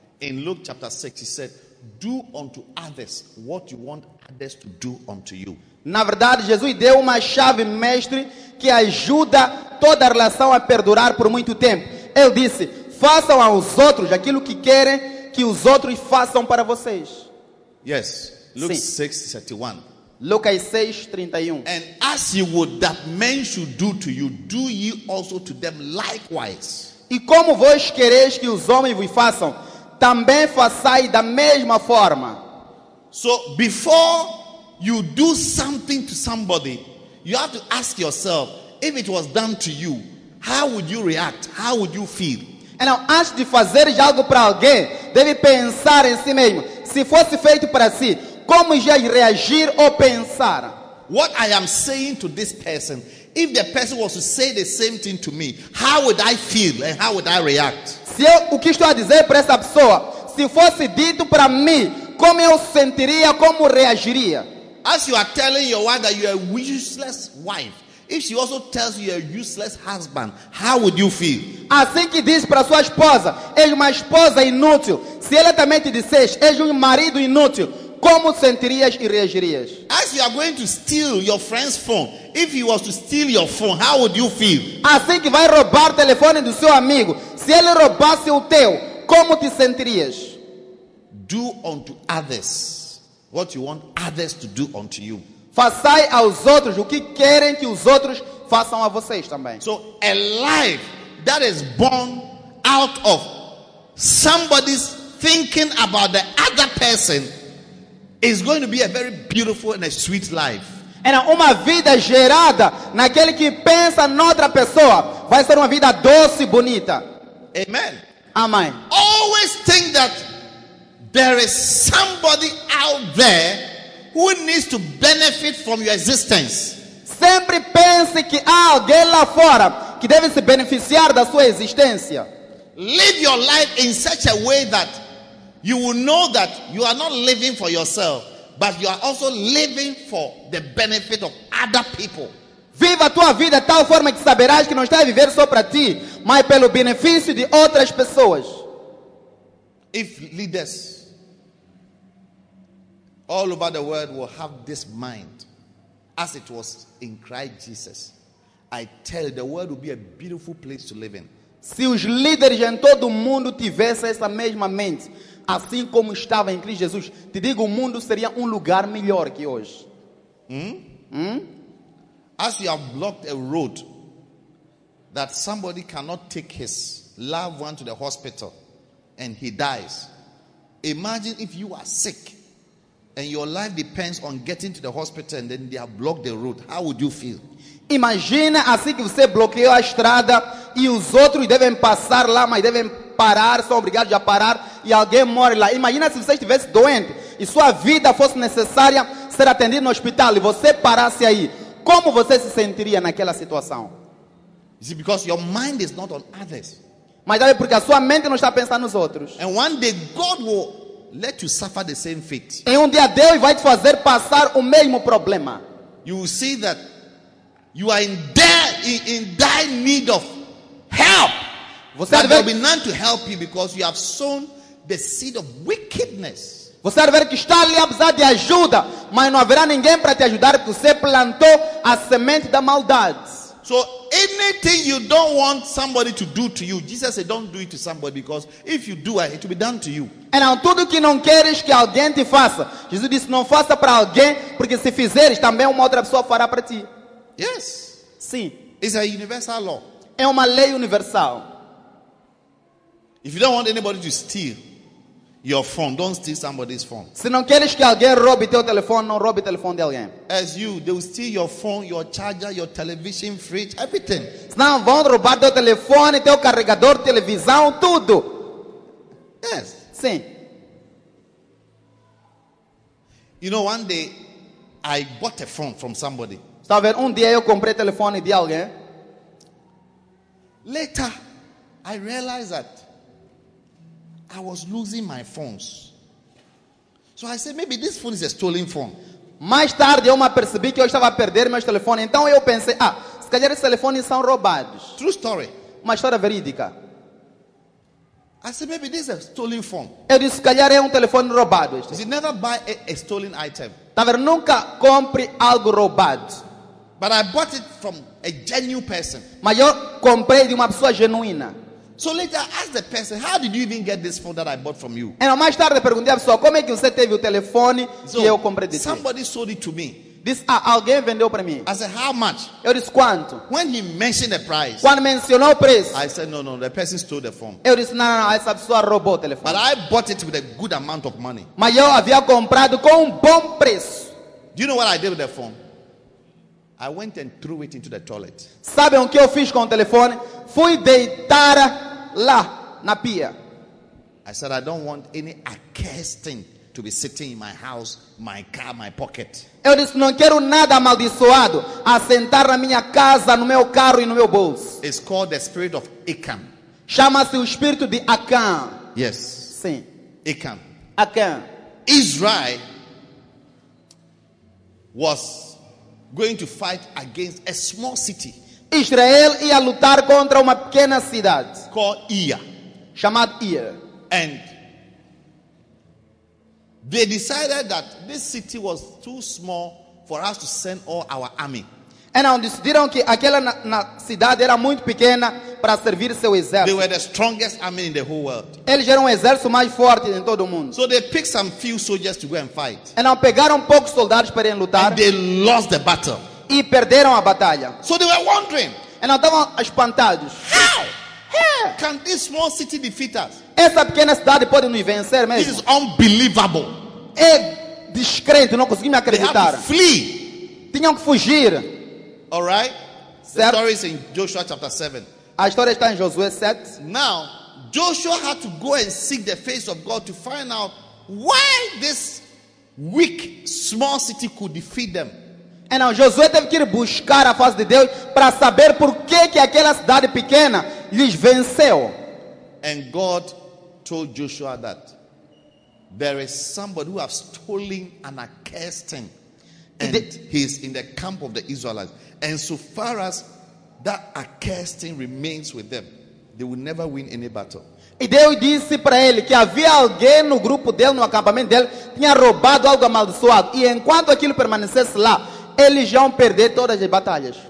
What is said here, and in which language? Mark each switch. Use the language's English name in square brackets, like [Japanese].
[English] In Luke chapter 6, he said, do unto others what you want others to do unto you. [Portuguese] Na verdade, Jesus deu uma chave mestre que ajuda toda a relação a perdurar por muito tempo. Ele disse, façam aos outros aquilo que querem que os outros façam para vocês. [English] Yes, Luke 6:31. [Portuguese] Lucas 6:31. [English] And as you would that men should do to you, do ye also to them likewise. [Portuguese] E como vós quereis que os homens vos façam, também façai da mesma forma. [English] So before you do something to somebody, you have to ask yourself, if it was done to you, how would you react? How would you feel? [Portuguese] E não, antes de fazer algo para alguém, deve pensar em si mesmo. Se fosse feito para si, como ia reagir ou pensar? [English] What I am saying to this person, if the person was to say the same thing to me, how would I feel and how would I react? [Portuguese] Se eu, o que estou a dizer para essa pessoa, se fosse dito para mim, como eu sentiria, como reagiria? [English] As you are telling your wife that you are a useless wife, if she also tells you you're a useless husband, how would you feel? [Portuguese] Assim que diz para sua esposa, és uma esposa inútil. Se ela também te dissesse, és marido inútil, como sentirias e reagirias? [English] As you are going to steal your friend's phone, if he was to steal your phone, how would you feel? [Portuguese] Assim que vai roubar o telefone do seu amigo, se ele roubasse o teu, como te sentirias? [English] Do unto others what you want others to do unto you. [Portuguese] Façai aos outros o que querem que os outros façam a vocês também. [English] So a life that is born out of somebody's thinking about the other person is going to be a very beautiful and a sweet life. [Portuguese] É uma vida gerada naquele que pensa noutra pessoa, vai ser uma vida doce e bonita. [English] Amen. [Portuguese] Amém. [English] Always think that there is somebody out there who needs to benefit from your existence. [Portuguese] Sempre pense que há alguém lá fora que deve se beneficiar da sua existência. [English] Live your life in such a way that you will know that you are not living for yourself, but you are also living for the benefit of other people. [Portuguese] Viva a tua vida de tal forma que saberás que não estás a viver só para ti, mas pelo benefício de outras pessoas. [English] If leaders all over the world will have this mind, as it was in Christ Jesus, I tell you, the world will be a beautiful place to live in. [Portuguese] Se os líderes em todo o mundo tivessem essa mesma mente, assim como estava em Cristo Jesus, te digo, o mundo seria lugar melhor que hoje. [English] As you have blocked a road that somebody cannot take his loved one to the hospital and he dies, imagine if you are sick and your life depends on getting to the hospital and then they have blocked the road, how would you feel? [Portuguese] Imagina assim que você bloqueou a estrada e os outros devem passar lá, mas devem parar, são obrigados a parar e alguém morre lá. Imagina se você estivesse doente e sua vida fosse necessária ser atendido no hospital e você parasse aí. Como você se sentiria naquela situação? [English] See, because your mind is not on others. [Portuguese] Mas é porque a sua mente não está pensando nos outros. [English] And one day God will let you suffer the same fate. [Portuguese] Em dia Deus vai te fazer passar o mesmo problema. [English] You will see that you are in dire need of help. [Portuguese] Você [English] there will be none to help you because you have sown the seed of wickedness. [Portuguese] Você vai ver que está ali a precisar de ajuda, mas não haverá ninguém para te ajudar porque você plantou a semente da maldade. [English] So anything you don't want somebody to do to you, Jesus said, don't do it to somebody because if you do it, it will be done to you. [Portuguese] Então tudo que não queres que alguém te faça, Jesus disse, não faça para alguém porque se fizeres também uma outra pessoa fará para ti. [English] Yes. [Portuguese] Sim. [English] It's a universal law. [Portuguese] É uma lei universal. [English] If you don't want anybody to steal your phone, don't steal somebody's phone. [Portuguese] Se não queres que alguém roube teu telefone, não roube o telefone de alguém. [English] As you, they will steal your phone, your charger, your television, fridge, everything. [Portuguese] Se não vão roubar teu telefone, teu carregador, televisão, tudo. [English] Yes. [Portuguese] Sim. [English] You know, one day I bought a phone from somebody. [Portuguese] Estava vendo, dia eu comprei telefone de alguém. [English] Later, I realized that I was losing my phones. So I said, maybe this phone is a stolen phone. [Portuguese] Mais tarde, eu me apercebi que eu estava a perder meus telefones. Então eu pensei, ah, se calhar esses telefones são roubados. [English] True story. [Portuguese] Uma história verídica. [English] I said, maybe this is a stolen phone. [Portuguese] Eu disse, se calhar é telefone roubado. Este. [English] You never buy a stolen item. [Portuguese] Tá vendo, nunca compre algo roubado. [English] But I bought it from a genuine person. [Portuguese] Mas eu comprei de uma pessoa genuína. [English] So later I asked the person, how did you even get this phone that I bought from you? [Portuguese] E mais tarde perguntei à pessoa, como é que você teve o telefone que eu comprei de ti? [English] Somebody sold it to me. [Portuguese] Diz, ah, alguém vendeu para mim. [English] I said, how much? [Portuguese] Eu disse, quanto? [English] When he mentioned the price, [Portuguese] quando mencionou o preço, [English] I said, no, the person stole the phone. [Portuguese] Eu disse, não, essa pessoa roubou o telefone. [English] But I bought it with a good amount of money. [Portuguese] Mas eu havia comprado com bom preço. [English] Do you know what I did with the phone? I went and threw it into the toilet. [Portuguese] Sabe o que eu fiz com o telefone? Fui deitar lá na pia. [English] I said, I don't want any accursed thing to be sitting in my house, my car, my pocket. [Portuguese] Eu disse, não quero nada amaldiçoado a sentar na minha casa, no meu carro e no meu bolso. [English] It's called the spirit of Achan. [Portuguese] Chama-se o espírito de Achan. [English] Yes. [Portuguese] Sim. [English] Achan. [Portuguese] Achan. [English] Israel was going to fight against a small city. [Portuguese] Israel ia lutar contra uma pequena cidade. [English] Called Ia. [Portuguese] Chamada Ia. [English] And they decided that this city was too small for us to send all our army. [Portuguese] Então decidiram que aquela na cidade era muito pequena para servir seu exército. [English] They were the strongest army in the whole world. [Portuguese] Eles eram o exército mais forte em todo o mundo. [English] So they picked some few soldiers to go and fight. [Portuguese] Então pegaram poucos soldados para ir lutar. [English] And they lost the battle. [Portuguese] E perderam a batalha. [English] So they were wondering. [Portuguese] Então estavam espantados. [English] How? Can this small city defeat us? [Portuguese] Essa pequena cidade pode nos vencer mesmo? [English] This is unbelievable. [Portuguese] É descrente, não consegui me acreditar. [English] Flee. [Portuguese] Tinham que fugir. [English] All right? [Portuguese] Certo? [English] The story is in Joshua chapter 7. [Portuguese] A história está em Josué 7. [English] Now, Joshua had to go and seek the face of God to find out why this weak small city could defeat them. [Portuguese] Então, Josué teve que ir buscar a face de Deus para saber por que aquela cidade pequena lhes venceu. [English] And God told Joshua that there is somebody who has stolen an accursed thing, and he's in the camp of the Israelites. And so far as that accursed thing remains with them, they will never win any battle. [Portuguese] E Deus disse para ele que havia alguém no grupo dele, no acampamento dele, tinha roubado algo amaldiçoado. E enquanto aquilo permanecesse lá, eles iam perder todas as batalhas.